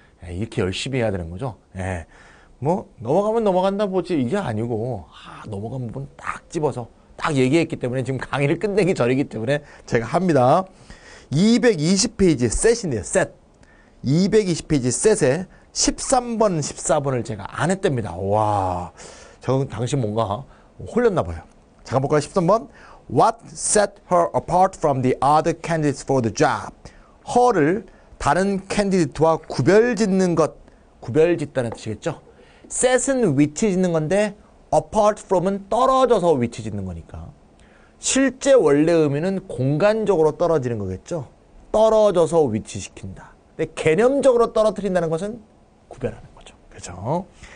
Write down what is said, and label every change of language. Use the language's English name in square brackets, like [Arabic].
[Korean] 예, 이렇게 열심히 해야 되는 거죠. 예, 뭐 넘어가면 넘어간다 보지 이게 아니고, 아, 넘어간 부분 딱 집어서 딱 얘기했기 때문에 지금 강의를 끝내기 전이기 때문에 제가 합니다. 220페이지 셋인데요, 셋. 220페이지 셋에 13번, 14번을 제가 안 했답니다. 와, 저 당시 뭔가 홀렸나 봐요. 잠깐 볼까요? 13번. [English] What set her apart from the other candidates for the job? [Korean] her를 다른 캔디디트와 구별 짓는 것. 구별 짓다는 뜻이겠죠? set은 위치 짓는 건데, apart from은 떨어져서 위치 짓는 거니까. 실제 원래 의미는 공간적으로 떨어지는 거겠죠? 떨어져서 위치시킨다. 근데 개념적으로 떨어뜨린다는 것은 구별하는 거죠. 그렇죠?